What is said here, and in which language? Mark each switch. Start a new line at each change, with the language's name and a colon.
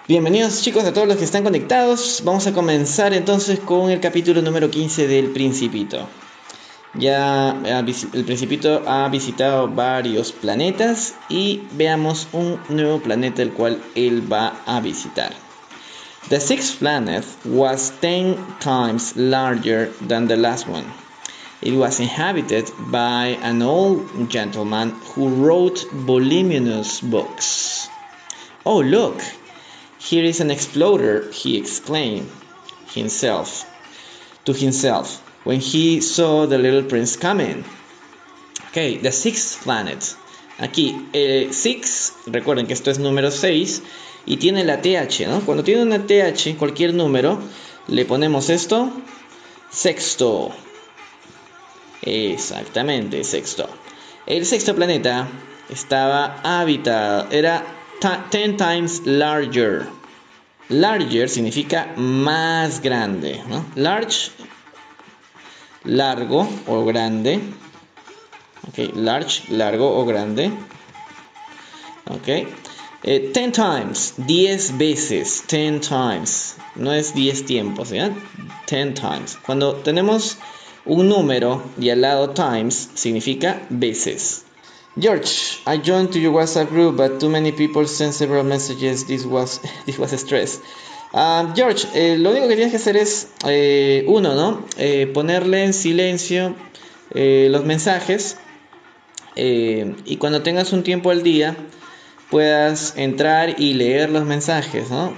Spanish: Bienvenidos chicos a todos los que están conectados. Vamos a comenzar entonces con el capítulo número 15 del Principito. Ya el Principito ha visitado varios planetas y veamos un nuevo planeta el cual él va a visitar.
English: The sixth planet was 10 times larger than the last one. It was inhabited by an old gentleman who wrote voluminous books. Oh, look! Here is an explorer, he exclaimed to himself when he saw the little prince coming. Okay, the sixth planet.
Spanish: Aquí, six, recuerden que esto es número 6 y tiene la TH, ¿no? Cuando tiene una TH, cualquier número, le ponemos esto, sexto. Exactamente, sexto. El sexto planeta estaba habitado, era
English: 10 times larger.
Spanish: Larger significa más grande, ¿no? Large, largo o grande. Okay, large, largo o grande. Okay.
English: 10 times, 10
Spanish: veces,
English: 10 times.
Spanish: No es 10 tiempos, ¿ya? 10 times. Cuando tenemos un número y al lado times significa veces.
English: George, I joined to your WhatsApp group, but too many people sent several messages. This was stress.
Spanish: George, lo único que tienes que hacer es uno, ¿no? Ponerle en silencio los mensajes y cuando tengas un tiempo al día puedas entrar y leer los mensajes, ¿no?